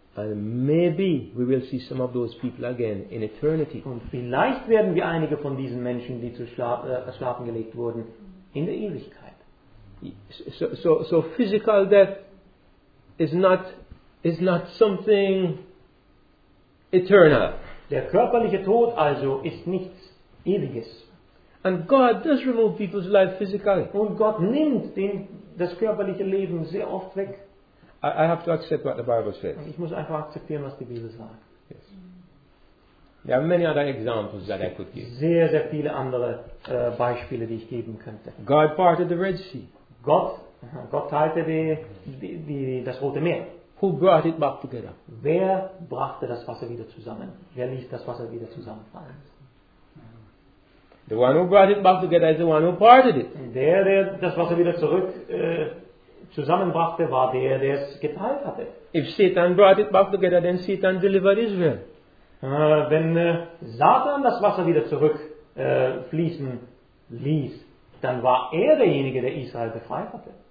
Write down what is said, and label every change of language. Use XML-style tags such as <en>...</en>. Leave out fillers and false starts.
<en>And maybe we will see some of those people again in eternity.</en> <de>Und vielleicht werden wir einige von diesen Menschen, die zu schlafen gelegt wurden, in der Ewigkeit.</de> <en>So physical death is not something eternal.</en> <de>Der körperliche Tod also ist nichts Ewiges.</de> <en>And God does remove people's life physically.</en> <de>Und Gott nimmt das körperliche Leben sehr oft weg.</de> <en>I have to accept what the Bible says.</en> <de>Ich muss einfach akzeptieren, was die Bibel sagt.</de> <en>Yes. There are many other examples that I could give.</en> <de>Sehr, sehr viele andere Beispiele, die ich geben könnte.</de> <en>God parted the Red Sea.</en> <de>Gott teilte das Rote Meer.</de> <en>Who brought it back together?</en> <de>Wer brachte das Wasser wieder zusammen? Wer ließ das Wasser wieder zusammenfallen?</de> <en>The one who brought it back together is the one who parted it.</en> <de>Der das Wasser wieder zurück zusammenbrachte, war der es geteilt hatte.</de> <en>If Satan brought it back together, then Satan delivered Israel.</en> <de>Wenn Satan das Wasser wieder zurück fließen ließ, dann war derjenige, der Israel befreit hatte.</de>